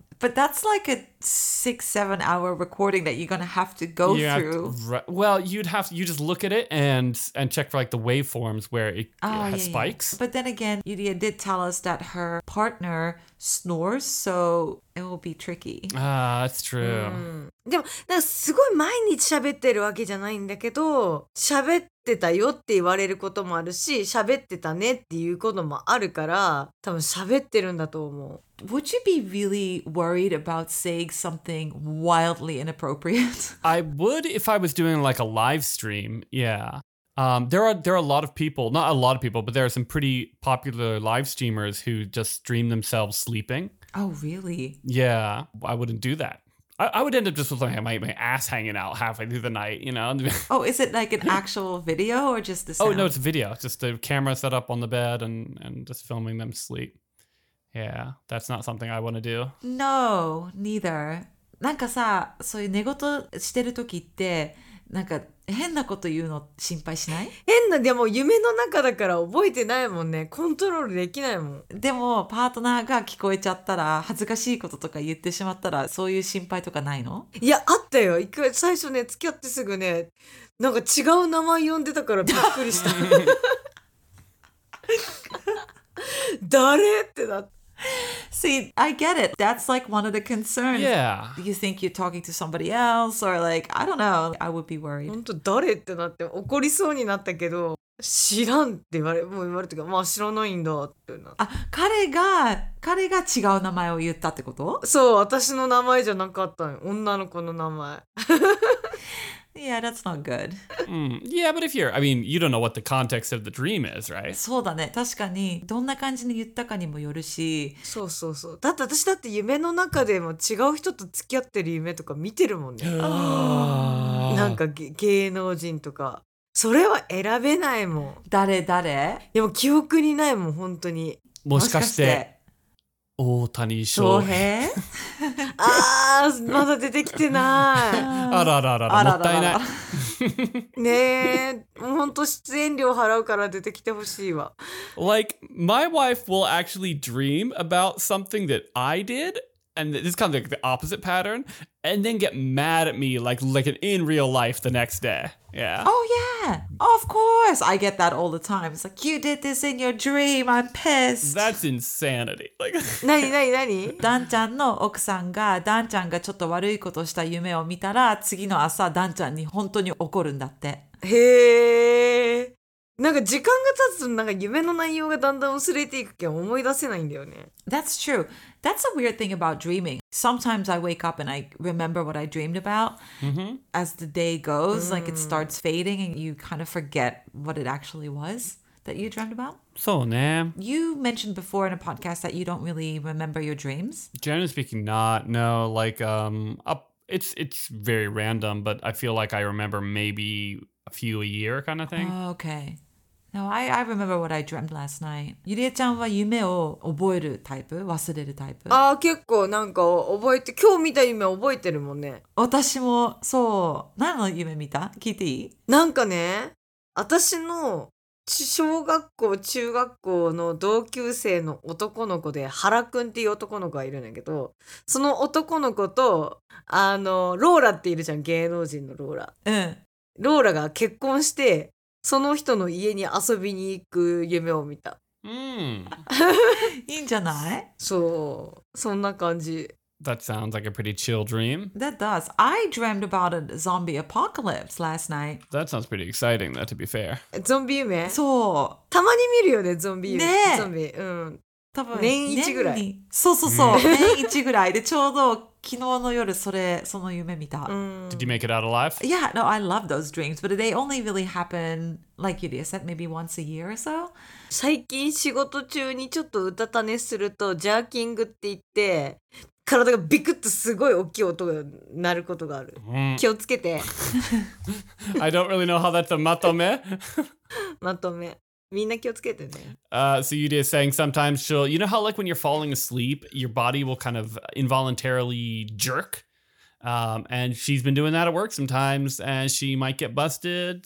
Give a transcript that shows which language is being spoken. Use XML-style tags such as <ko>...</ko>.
<en>But that's like a 6-7 hour recording that you're going to have to go through. You just look at it and check for like the waveforms where it has spikes. But then again, Yuria did tell us that her partner snores, so it will be tricky. That's true.</en> <ja>でもなんかすごい毎日喋ってるわけじゃないんだけど、喋ってたよって言われることもあるし、喋ってたねっていうこともあるから、多分喋ってるんだと思う。</ja> <en>Would you be really worried about saying something wildly inappropriate? I would if I was doing like a live stream, yeah. There are a lot of people, not a lot of people, but there are some pretty popular live streamers who just stream themselves sleeping. Oh, really? Yeah, I wouldn't do that. I would end up just with my ass hanging out halfway through the night, you know? Oh, is it like an actual video or just the sound? Oh, no, it's a video. It's just a camera set up on the bed and just filming them sleep. Yeah, that's not something I want to do. No, neither.</en> <ja>なんかさ、そういう寝言してる時ってなんか変なこと言うの心配しない？変な、でも夢の中だから覚えてないもんね。コントロールできないもん。でもパートナーが聞こえちゃったら、恥ずかしいこととか言ってしまったら、そういう心配とかないの？いや、あったよ。最初ね、付き合ってすぐね、なんか違う名前呼んでたからびっくりした。誰ってなっ</ja> <en>See, I get it. That's like one of the concerns. Yeah. You think you're talking to somebody else or like, I don't know. I would be worried.</en> <ja>本当誰ってなって怒りそうになったけど、知らんって言われてか、まあ知らないんだってな。あ、彼が違う名前を言ったってこと？そう、私の名前じゃなかったの。女の子の名前。</ja> <en>Yeah, that's not good. Yeah, but if you're, I mean, you don't know what the context of the dream is, right?</en> <ja>そうだね。確かに、どんな感じに言ったかにもよるし。そうそうそう。だって私だって夢の中でも違う人と付き合ってる夢とか見てるもんね。なんか芸能人とか。それは選べないもん。誰誰？でも記憶にないもん、本当に。もしかして。大谷翔平。翔平ああ、まだ出てきてない。あらあらあら、もったいない。ねえ、ほんと出演料払うから出てきてほしいわ。</ja> <en>Like, my wife will actually dream about something that I did, and this is kind of like the opposite pattern, and then get mad at me like in real life the next day. Yeah. Oh, yeah. Of course. I get that all the time. It's like, you did this in your dream. I'm pissed. That's insanity.</en> <ja>Like, 何? ダンちゃんの奥さんがダンちゃんがちょっと悪いことした夢を見たら、次の朝ダンちゃんに本当に怒るんだって。へー。なんか時間が経つとなんか夢の内容がだんだん薄れていくけん思い出せないんだよね。</ja> <en>That's true. That's a weird thing about dreaming. Sometimes I wake up and I remember what I dreamed about. Mm-hmm. As the day goes, mm-hmm. like it starts fading and you kind of forget what it actually was that you dreamed about.</en> <ja>そうね。</ja> <en>You mentioned before in a podcast that you don't really remember your dreams. Generally speaking, not. No, like it's very random, but I feel like I remember maybe... A few a year kind of thing. Oh, okay. No, I remember what I dreamt last night.</en> <ja>ゆりえちゃんは夢を覚えるタイプ？忘れるタイプ？あ、結構なんか覚えて、今日見た夢覚えてるもんね。私もそう。何の夢見た？聞いていい？なんかね、私の小学校、中学校の同級生の男の子で、原くんっていう男の子がいるんだけど、その男の子と、あの、ローラっているじゃん、芸能人のローラ。うん。ローラが結婚してその人の家に遊びに行く夢を見た。うん。いいんじゃない？そう。そんな感じ。</ja> <en>That sounds like a pretty chill dream. That does. I dreamed about a zombie apocalypse last night. That sounds pretty exciting, though, to be fair.</en> <ja>ゾンビ夢？そう。たまに見るよね、ゾンビ夢。ね。ゾンビ。うん。多分年一ぐらい。そうそうそう。年一ぐらいでちょうど。昨日の夜それその夢見た。</ja> <en>Did you make it out alive? Yeah, no, I love those dreams, but they only really happen, like Yuria said, maybe once a year or so.</en> <ja>最近仕事中にちょっとうたた寝するとジャーキングって言って体がビクッとすごい大きい音が鳴ることがある。気をつけて。</ja> <en>I don't really know how that's a</en> <ja>まとめ。まとめ。みんな気をつけてね。</ja> <en>So Yuri is saying sometimes she'll... You know how like when you're falling asleep, your body will kind of involuntarily jerk? And she's been doing that at work sometimes, and she might get busted.</en>